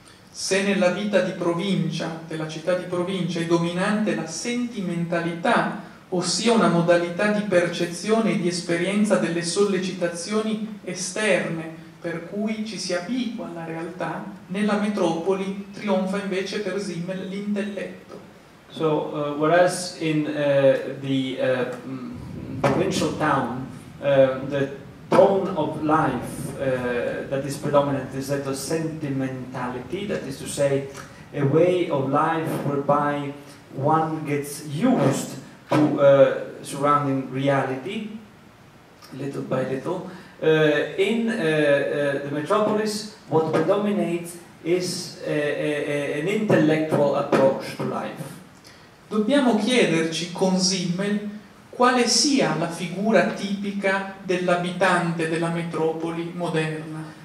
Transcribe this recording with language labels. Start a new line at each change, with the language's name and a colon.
Italian: Se nella vita di provincia, della città di provincia, è dominante la sentimentalità, ossia una modalità di percezione e di esperienza delle sollecitazioni esterne per cui ci si abitua alla realtà, nella metropoli trionfa invece per Zimmel l'intelletto.
English: So, whereas in the provincial town, the tone of life that is predominant is that of sentimentality, that is to say, a way of life whereby one gets used to surrounding reality, little by little. The metropolis, what predominates is an intellectual approach to life.
Italian: Dobbiamo chiederci con Zimmel quale sia la figura tipica dell'abitante della metropoli moderna.